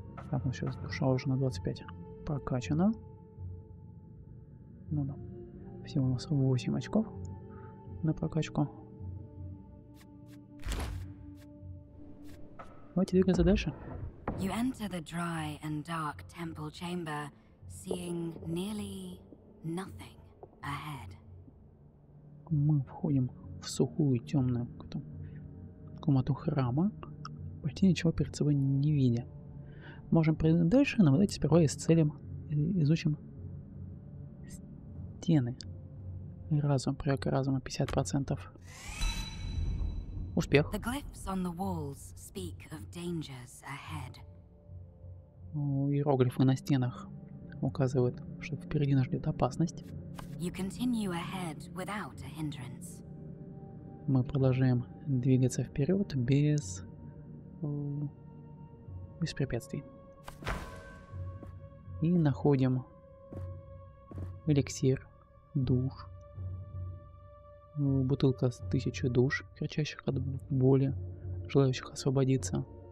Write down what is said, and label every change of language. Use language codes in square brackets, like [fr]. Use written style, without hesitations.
[ru] Так, ну сейчас душа уже на 25 прокачана. Ну да. Всего у нас 8 очков на прокачку. Давайте двигаться дальше. [en] You enter the dry and dark temple chamber, seeing nearly nothing ahead. [ru] Мы входим в сухую темную комнату храма, почти ничего перед собой не видя. Можем пройти дальше, но давайте сперва исцелим, изучим стены. Разум, прыг разума 50%. Успех. [en] The glyphs on the walls speak of dangers ahead. [ru] Иероглифы на стенах указывают, что впереди нас ждет опасность. [en] You continue ahead without a hindrance. [ru] Мы продолжаем двигаться вперед без, без препятствий. И находим эликсир душ, бутылка с 1000 душ, кричащих от боли, желающих освободиться.